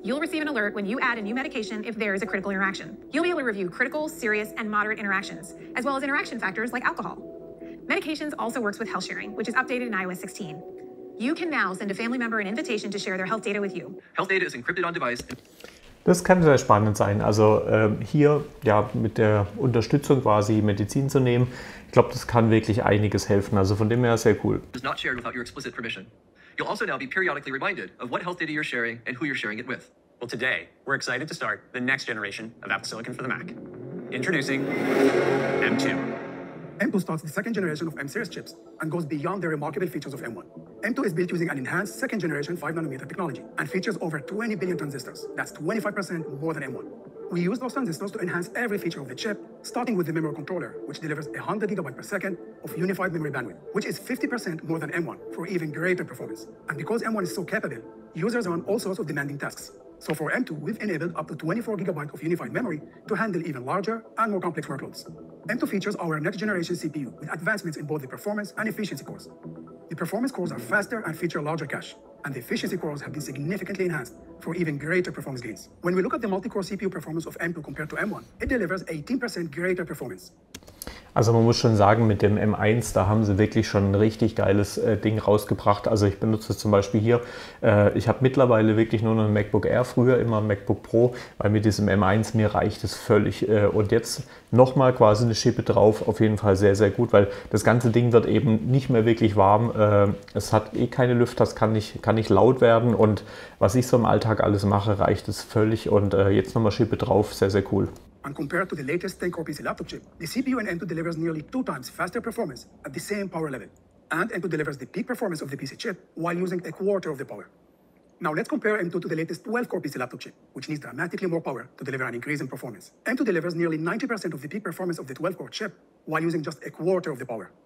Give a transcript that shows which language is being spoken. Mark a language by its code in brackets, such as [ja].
[en] You'll receive an alert when you add a new medication if there is a critical interaction. You'll be able to review critical, serious, and moderate interactions, as well as interaction factors like alcohol. Medications also works with health sharing, which is updated in iOS 16. You can now send a family member an invitation to share their health data with you. Health data is encrypted on device. [de] Das kann sehr spannend sein. Also hier ja mit der Unterstützung quasi Medizin zu nehmen, ich glaube, das kann wirklich einiges helfen. Also von dem her sehr cool. [en] Is not shared without your explicit permission. You'll also now be periodically reminded of what health data you're sharing and who you're sharing it with. Well, today we're excited to start the next generation of Apple Silicon for the Mac. Introducing M2. M2 starts the second generation of M-series chips and goes beyond the remarkable features of M1. M2 is built using an enhanced second generation 5-nanometer technology and features over 20 billion transistors. That's 25% more than M1. We use those transistors to enhance every feature of the chip, starting with the memory controller, which delivers 100 gigabytes per second of unified memory bandwidth, which is 50% more than M1 for even greater performance. And because M1 is so capable, users run all sorts of demanding tasks. So for M2, we've enabled up to 24 gigabytes of unified memory to handle even larger and more complex workloads. M2 features our next generation CPU with advancements in both the performance and efficiency cores. The performance cores are faster and feature larger cache, and the efficiency cores have been significantly enhanced for even greater performance gains. When we look at the multi-core CPU performance of M2 compared to M1, it delivers 18% greater performance. [de] Also man muss schon sagen, mit dem M1, da haben sie wirklich schon ein richtig geiles Ding rausgebracht. Also ich benutze zum Beispiel hier, ich habe mittlerweile wirklich nur noch ein MacBook Air, früher immer ein MacBook Pro, weil mit diesem M1 mir reicht es völlig. Und jetzt nochmal quasi eine Schippe drauf, auf jeden Fall sehr, sehr gut, weil das ganze Ding wird eben nicht mehr wirklich warm. Es hat eh keine Lüfter, das kann nicht laut werden. Und was ich so im Alltag alles mache, reicht es völlig. Und jetzt nochmal Schippe drauf, sehr, sehr cool. [en] And compared to the latest 10-core PC laptop chip, the CPU in M2 delivers nearly 2 times faster performance at the same power level. And M2 delivers the peak performance of the PC chip while using 1/4 of the power. Now let's compare M2 to the latest 12-core PC laptop chip, which needs dramatically more power to deliver an increase in performance. M2 delivers nearly 90% of the peak performance of the 12-core chip while using just 1/4 of the power.